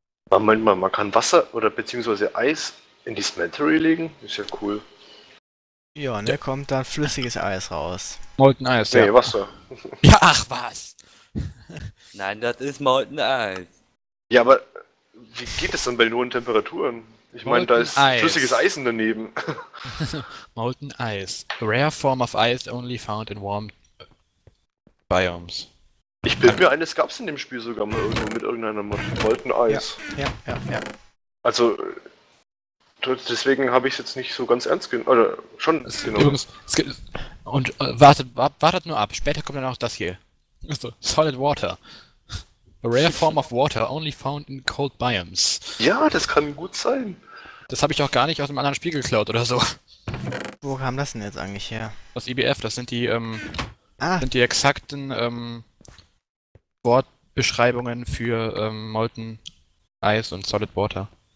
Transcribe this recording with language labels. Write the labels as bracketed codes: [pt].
[de] Moment mal, man kann Wasser oder beziehungsweise Eis in die Smeltery legen, ist ja cool. Ja, ne, kommt dann flüssiges Eis raus. Molten Eis, nee, ja. Nee, Wasser. Ja, ach was! Nein, das ist Molten Eis. Ja, aber wie geht es denn bei den hohen Temperaturen? Ich meine, da ist Eis. Flüssiges Eis daneben. Molten Eis. [en] Rare form of ice only found in warm biomes. [de] Ich bin mir eines, gab's in dem Spiel sogar mal irgendwo mit irgendeiner Molten Eis. Ja, ja, ja, ja. Also, deswegen habe ich es jetzt nicht so ganz ernst genommen. Oder schon es genommen. Übrigens, es gibt, und wartet nur ab. Später kommt dann auch das hier: also, Solid Water. [en] A rare form of water only found in cold biomes. [de] Ja, das kann gut sein. Das habe ich auch gar nicht aus einem anderen Spiel geklaut oder so. Wo kam das denn jetzt eigentlich her? Aus IBF, das sind die, sind die exakten, Wortbeschreibungen für Molten Eis und Solid Water.